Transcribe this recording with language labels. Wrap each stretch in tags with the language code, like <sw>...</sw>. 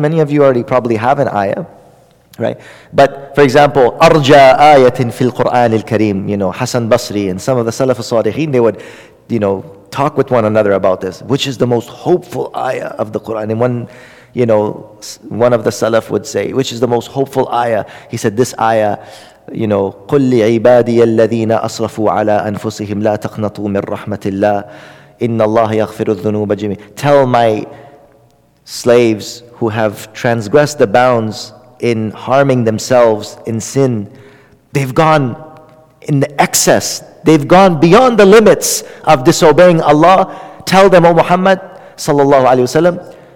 <en>Many of you already probably have an ayah, right? But for example,</en> <ar>arja ayatin fil Quran al Kareem.</ar> <en>Hasan Basri and some of the Salaf al-Salihin, they would, talk with one another about this. Which is the most hopeful ayah of the Quran? And one of the Salaf would say, which is the most hopeful ayah? He said, this ayah,</en> <ar>قل لعبادي الذين أصرفوا على أنفسهم لا تقنطوا من رحمة الله. إِنَّ اللَّهَ يَغْفِرُ الذُّنُوبَ جَمِيعًا.</ar> <en>Tell my slaves who have transgressed the bounds in harming themselves in sin, they've gone in the excess, they've gone beyond the limits of disobeying Allah. Tell them, O Muhammad sallallahu alaihi wasallam,</en>